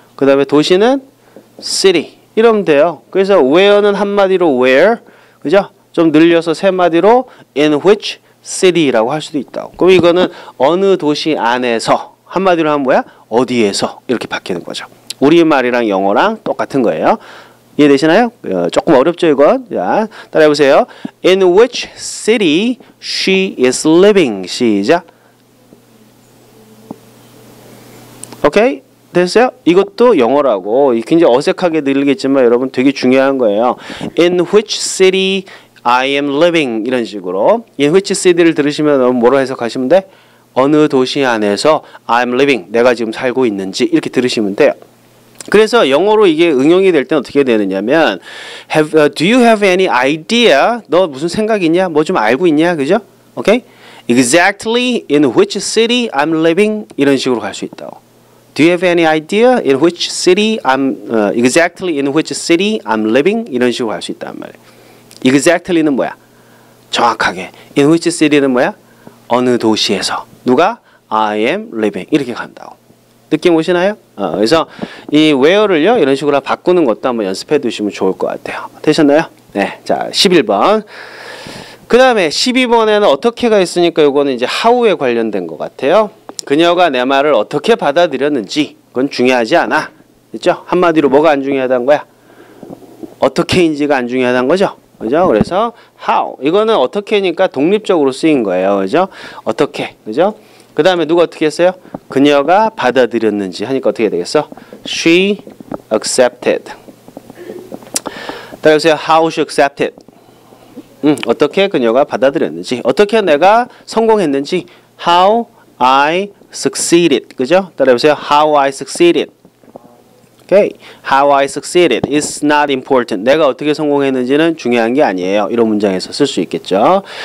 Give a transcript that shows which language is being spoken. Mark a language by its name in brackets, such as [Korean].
[Korean] 그 다음에 도시는 [English] city [Korean] 이러면 돼요. 그래서 where는 한마디로 where, 그죠? 좀 늘려서 세 마디로 [English] in which city [Korean] 라고 할 수도 있다고. 그럼 이거는 어느 도시 안에서, 한마디로 하면 뭐야? 어디에서 이렇게 바뀌는 거죠. 우리말이랑 영어랑 똑같은 거예요. 이해되시나요? 조금 어렵죠, 이건? 자, 따라해보세요. [English] In which city she is living. [Korean] 시작. 오케이? 됐어요? 이것도 영어라고 굉장히 어색하게 들리겠지만 여러분 되게 중요한 거예요. [English] In which city I am living [Korean] 이런 식으로 [English] In which city [Korean] 를 들으시면 뭐로 해석하시면 돼? 어느 도시 안에서 [English] I'm living [Korean] 내가 지금 살고 있는지 이렇게 들으시면 돼요. 그래서 영어로 이게 응용이 될 때는 어떻게 되느냐면 [English] do you have any idea? [Korean] 너 무슨 생각 있냐? 뭐 좀 알고 있냐? 그죠? 오케이? [English] Exactly in which city I'm living [Korean] 이런 식으로 갈 수 있다고. [English] Do you have any idea in which city I'm exactly in which city I'm living? [Korean] 이런 식으로 할 수 있단 말이에요. Exactly는 뭐야? 정확하게. In which city는 뭐야? 어느 도시에서. 누가? [English] I am living. [Korean] 이렇게 간다고. 느낌 오시나요? 그래서 이 where를요 이런 식으로 바꾸는 것도 한번 연습해 두시면 좋을 것 같아요. 되셨나요? 네. 자, 11번. 그 다음에 12번에는 어떻게가 있으니까 이거는 이제 how에 관련된 것 같아요. 그녀가 내 말을 어떻게 받아들였는지 그건 중요하지 않아. 됐죠? 한마디로 뭐가 안 중요하다는 거야? 어떻게인지가 안 중요하다는 거죠. 그죠? 그래서 how 이거는 어떻게니까 독립적으로 쓰인 거예요. 그죠? 어떻게. 그죠? 그다음에 누가 어떻게 했어요? 그녀가 받아들였는지 하니까 어떻게 되겠어? [English] She accepted. [Korean] 따라해보세요. [English] How she accepted. [Korean] 어떻게 그녀가 받아들였는지. 어떻게 내가 성공했는지. [English] How I succeeded. [Korean] 그죠? 따라해보세요. [English] How I succeeded. Okay. How I succeeded is not important. [Korean] 내가 어떻게 성공했는지는 중요한 게 아니에요. 이런 문장에서 쓸 수 있겠죠.